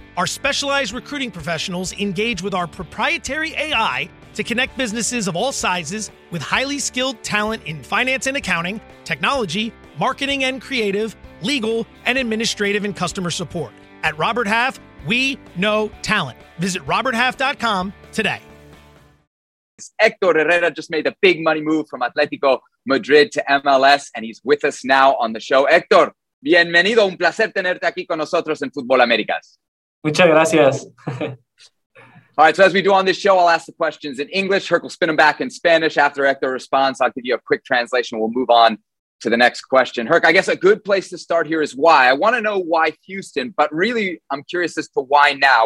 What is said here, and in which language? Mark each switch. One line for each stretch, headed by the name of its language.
English: Our specialized recruiting professionals engage with our proprietary AI to connect businesses of all sizes with highly skilled talent in finance and accounting, technology, marketing and creative, legal, and administrative and customer support. At Robert Half, we know talent. Visit roberthalf.com today. Héctor Herrera just made a big money move from Atletico Madrid to MLS, and he's with us now on the show.
Spanish: Héctor, bienvenido. Un placer tenerte aquí con nosotros en Fútbol Américas. Muchas gracias.
English: All right, so as we do on this show, I'll ask the questions in English. Herc will spin them back in Spanish. After Héctor responds, I'll give you a quick translation. We'll move on to the next question. Herc, I guess a good place to start here is why. I want to know why Houston, but really I'm curious as to why now.